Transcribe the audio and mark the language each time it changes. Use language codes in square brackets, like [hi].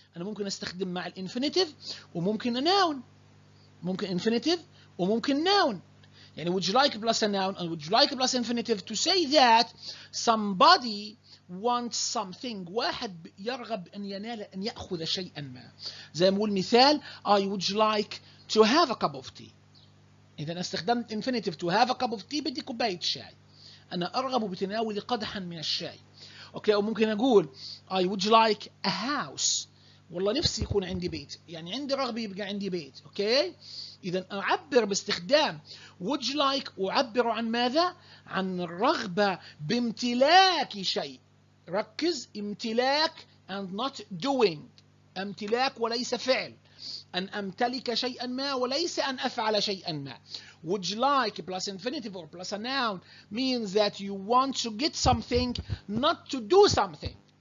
[ar] أنا ممكن أستخدم مع الانفينيتيف وممكن ناون. ممكن infinitive وممكن ناون. [en] يعني would you like plus a noun and would you like plus infinitive to say that somebody wants something. [ar] واحد يرغب أن ينال أن يأخذ شيئا ما. زي ما أقول مثال [en] I would like to have a cup of tea. [ar] إذا استخدمت infinitive [en] to have a cup of tea [ar] بدي كوباية شاي. أنا أرغب بتناول قدحا من الشاي. أوكي أو ممكن أقول [en] I would like a house. [ar] والله نفسي يكون عندي بيت. يعني عندي رغبة يبقى عندي بيت. أوكي؟ إذن أعبر باستخدام would you like أعبر عن ماذا؟ عن الرغبة بامتلاك شيء. ركز امتلاك [en] and not doing. [ar] امتلاك وليس فعل. أن أمتلك شيئا ما وليس أن أفعل شيئا ما. [en] Would you like plus infinitive or plus a noun means that you want to get something not to do something.